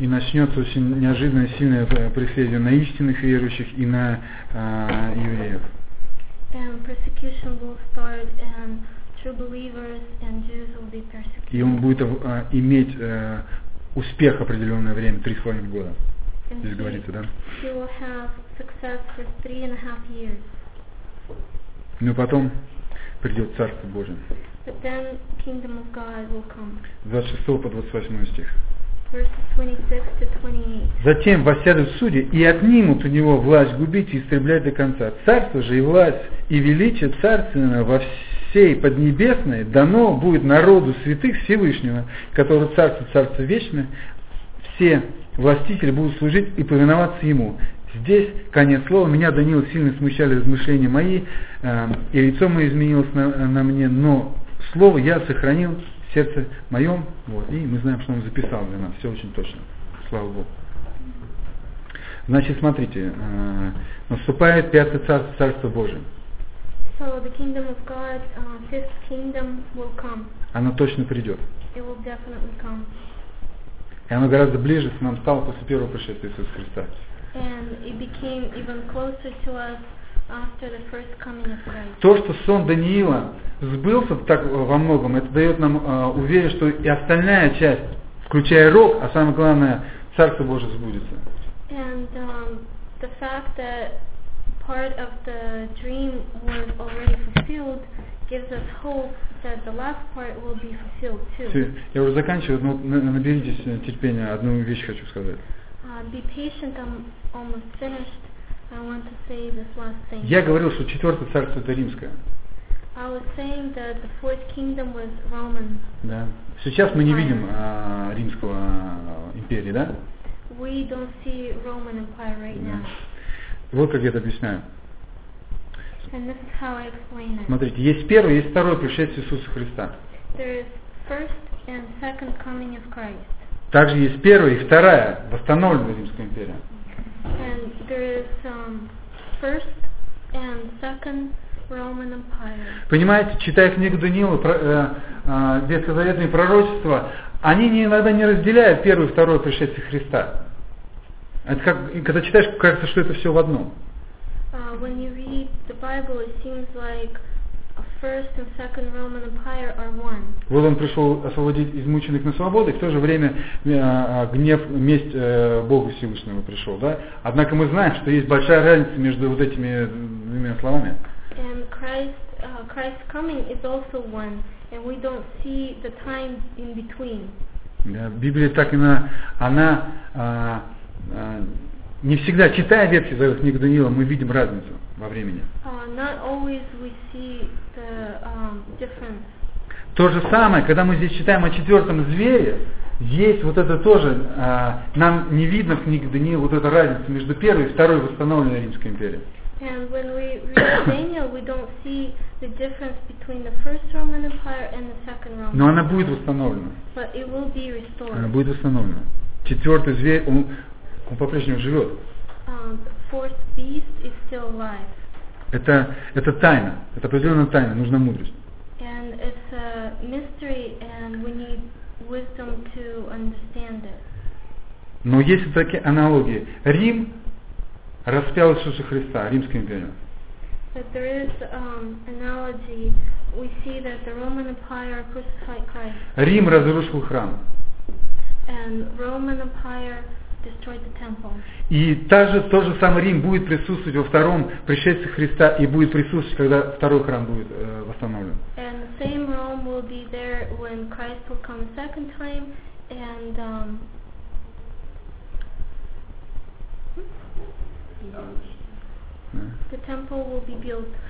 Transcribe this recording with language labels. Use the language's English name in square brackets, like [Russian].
[Russian] И начнется очень неожиданное сильное преследование на истинных верующих и на евреев. [English] And persecution will start, and true believers and Jews will be persecuted. [Russian] И он будет иметь успех определенное время, 3.5 года. [English] And [Russian] здесь говорится, да? [English] He will have success for 3.5 years. [Russian] Но потом придет Царство Божие. [English] But then kingdom of God will come. [Russian] 26-28 стих. [English] Verses 26-28. [Russian] Затем воссядут судьи и отнимут у него власть губить и истреблять до конца. Царство же и власть и величие царственное во всей поднебесной дано будет народу святых Всевышнего, который царствует царство вечное. Все властители будут служить и повиноваться ему. Здесь конец слова. Меня, Даниил, сильно смущали размышления мои, и лицо мое изменилось на мне, но слово я сохранил в сердце моем. Вот, и мы знаем, что он записал для нас. Все очень точно. Слава Богу. Значит, смотрите. Наступает Пятое Царство, Царство Божие. [English] So the kingdom of God, fifth kingdom will come. [Russian] Оно точно придет. [English] It will definitely come. [Russian] И оно гораздо ближе к нам стало после первого пришествия Иисуса Христа. [English] And it became even closer to us after the first coming of Christ. [Russian] То, что сон Даниила сбылся так во многом, это дает нам уверенность, что и остальная часть, включая рог, а самое главное, Царство Божие сбудется. [English] And the fact that part of the dream was already fulfilled gives us hope that the last part will be fulfilled too. [Russian] Все, я уже заканчиваю, но наберитесь терпения, одну вещь хочу сказать. [English] Be patient, I'm almost finished. I want to say this last thing. [Russian] Я говорил, что четвертое царство это римское. [English] I was saying that the fourth kingdom was Roman. [Russian] Да. Сейчас мы не видим римского империи, да? [English] We don't see Roman Empire right now. [Russian] Вот как я это объясняю. [English] And this is how I explain it. [Russian] Смотрите, есть первое, есть второе пришествие Иисуса Христа. [English] There is first and second coming of Christ. [Russian] Также есть первая и вторая восстановленная Римская империя. [English] And there is, first and second Roman Empire. [Russian] Понимаете, читая книгу Даниила, ветхозаветные пророчества, они иногда не разделяют первое и второе пришествие Христа. Это как, когда читаешь, кажется, что это все в одном. [English] When you read the Bible, it seems like First and second Roman Empire are one. [Russian] Вот он пришел освободить измученных на свободу, и в то же время гнев, месть Бога Всевышнего пришел, да? Однако мы знаем, что есть большая разница между вот этими двумя словами. [English] And Christ's coming is also one, and we don't see the time in between. [Russian] Да, Библия так и на, она не всегда, читая Ветхий Завет, книгу Даниила, мы видим разницу во времени. [English] Not always we see the, difference. [Russian] То же самое, когда мы здесь читаем о четвертом звере, есть вот это тоже, нам не видно в книге Даниила вот эта разница между первой и второй восстановленной Римской империей. [English] And when we read Daniel, we don't see the difference between the first Roman Empire and the second Roman. [Russian] Но она будет восстановлена. [English] But it will be restored. [Russian] Она будет восстановлена. Четвертый зверь, он по-прежнему живет. [English] Fourth beast is still alive. [Russian] Это тайна. Это определенная тайна. Нужна мудрость. [English] And it's a mystery, and we need wisdom to understand it. [Russian] Но есть вот такие аналогии. Рим распял Иисуса Христа, Римский империал. [English] But there is analogy. We see that the Roman Empire crucified Christ. [Russian] Рим разрушил храм. [English] And Roman Empire destroyed the temple. [Russian] И тот же самый Рим будет присутствовать во втором пришествии Христа и будет присутствовать, когда второй храм будет восстановлен. [English] And the same Rome will be there when Christ will come a second time and the temple will be built.